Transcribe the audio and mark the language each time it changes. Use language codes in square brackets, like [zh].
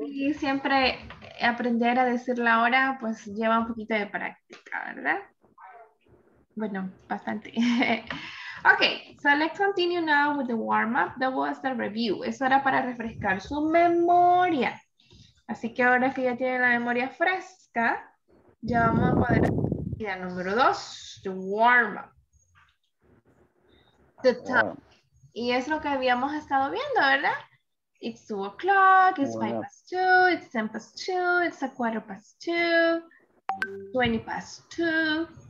[es] Y siempre aprender a decir la hora, pues lleva un poquito de práctica, ¿verdad? Bueno, bastante. [en] Okay, so let's continue now with the warm-up. That was the review. [es] Eso era para refrescar su memoria. Así que ahora que ya tiene la memoria fresca, ya vamos a poder hacer la número 2, the warm-up. [en] The top. Wow. [es] Y es lo que habíamos estado viendo, ¿verdad? [en] It's 2 o'clock, it's 5 past 2, it's 10 past 2, it's a quarter past 2, 20 past 2.